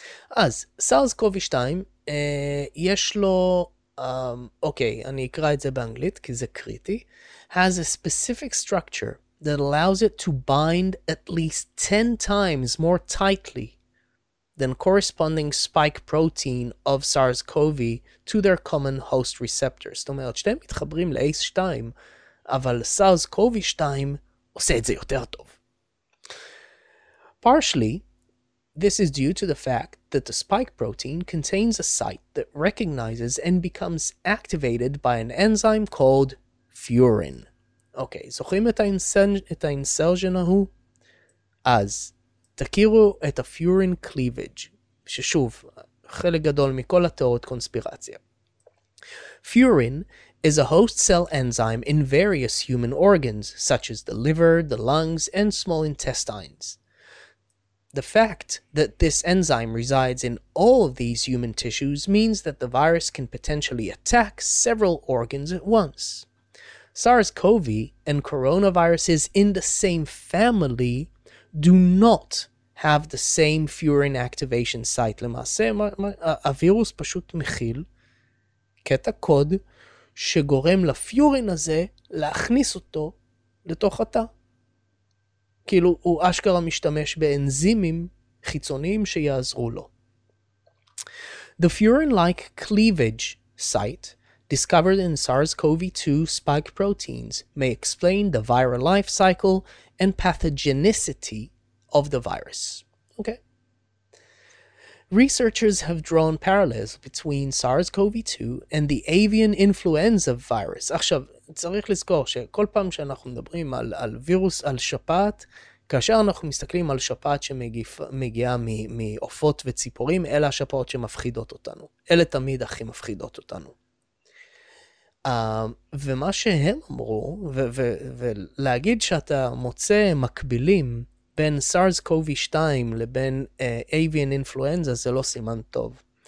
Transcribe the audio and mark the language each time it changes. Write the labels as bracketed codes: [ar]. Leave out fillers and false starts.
[he] אז סארס קובי 2, יש לו, אוקיי, אני אקרא את זה באנגלית כי זה קריטי, [en] has a specific structure that allows it to bind at least 10 times more tightly than corresponding spike protein of SARS-CoV to their common host receptors. [he] זאת אומרת, שתיהם מתחברים ל-ACE2, אבל SARS-CoV2 עושה את זה יותר טוב. [en] Partially, this is due to the fact that the spike protein contains a site that recognizes and becomes activated by an enzyme called furin. [he] אוקיי, זוכרים את האינסרז'ן ההוא? אז תכירו את הפיורין קליביג', ששוב, חלק גדול מכל התיאוריות קונספירציה. [en] פיורין is a host cell enzyme in various human organs, such as the liver, the lungs, and small intestines. The fact that this enzyme resides in all of these human tissues means that the virus can potentially attack several organs at once. SARS-CoV and coronaviruses in the same family do not have the same furin activation site. [he] למעשה, הווירוס פשוט מכיל קטע קוד שגורם לפיורין הזה להכניס אותו לתוך התא. כאילו, הוא אשכרה משתמש באנזימים חיצוניים שיעזרו לו. [en] The furin-like cleavage site discovered in SARS-CoV-2 spike proteins may explain the viral life cycle and pathogenicity of the virus. Okay. Researchers have drawn parallels between SARS-CoV-2 and the avian influenza virus. [he] עכשיו, צריך לזכור שכל פעם שאנחנו מדברים על, על וירוס, על שפעת, כאשר אנחנו מסתכלים על שפעת שמגיעה מעופות וציפורים, אלה השפעות שמפחידות אותנו. אלה תמיד הכי מפחידות אותנו. ומה שהם אמרו, ולהגיד שאתה מוצא מקבילים בין SARS-CoV-2 לבין avian influenza, זה לא סימן טוב.